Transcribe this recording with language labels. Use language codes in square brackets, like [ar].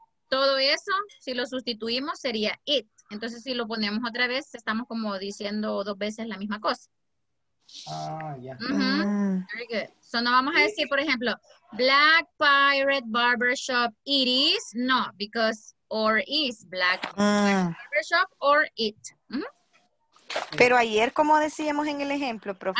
[es] Todo eso, si lo sustituimos, sería it. Entonces, si lo ponemos otra vez, estamos como diciendo dos veces la misma cosa. [en] Very good. So, [es] no vamos a decir, por ejemplo, Black Pirate Barbershop, [en] it is. No, because or is Black Pirate Barbershop or it. [es] Pero ayer, ¿cómo decíamos en el ejemplo, profe?